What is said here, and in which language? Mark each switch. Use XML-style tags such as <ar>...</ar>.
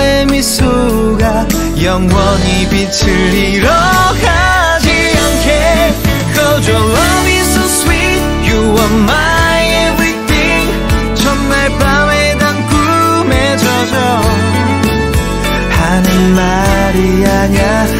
<ko>미소가 영원히 빛을 잃어가지 않게.</ko> <en>'Cause your love is so sweet, you are my everything.</en> <ko>첫날 밤에 단 꿈에 젖어 하는 말이 아냐.</ko>